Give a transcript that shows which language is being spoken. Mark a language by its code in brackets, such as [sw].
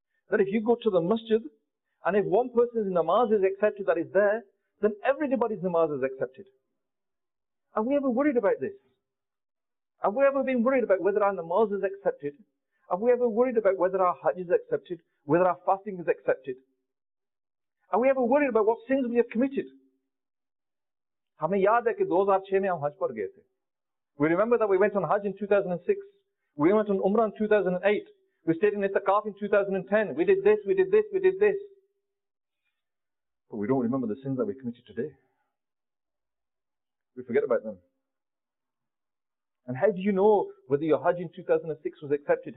[en] That if you go to the masjid, and if one person's namaz is accepted that is there, then everybody's namaz is accepted. Have we ever worried about this? Have we ever been worried about whether our namaz is accepted? Have we ever worried about whether our hajj is accepted? Whether our fasting is accepted? Are we ever worried about what sins we have committed? [ur] ہمیں یاد ہے کہ 2006 میں ہم حج پر گئے تھے۔ [en] We remember that we went on Hajj in 2006. We went on Umrah in 2008. We stayed in Itikaf in 2010. We did this, we did this, we did this. But we don't remember the sins that we committed today. We forget about them. And how do you know whether your Hajj in 2006 was accepted?